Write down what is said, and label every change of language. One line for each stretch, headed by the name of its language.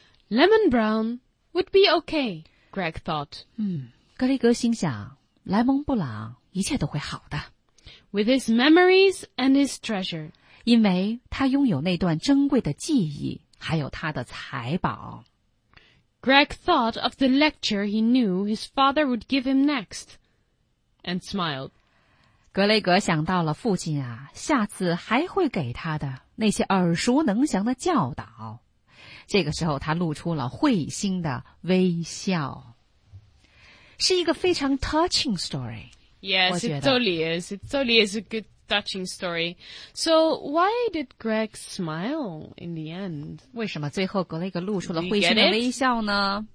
English: Lemon Brown would be okay, Greg thought.
Chinese: 格雷格心想，莱蒙布朗一切都会好的。
English: With his memories and his treasure.
Chinese: 因为他拥有那段珍贵的记忆，还有他的财宝。
English: Greg thought of the lecture he knew his father would give him next, and smiled.
Chinese: 格雷格想到了父亲啊，下次还会给他的。那些耳熟能详的教导，这个时候他露出了会心的微笑。是一个非常
English: touching story. Yes, it totally is. It totally is a good touching story. So why did Greg smile in the end?
Chinese: 为什么最后格雷格露出了会心的微笑呢？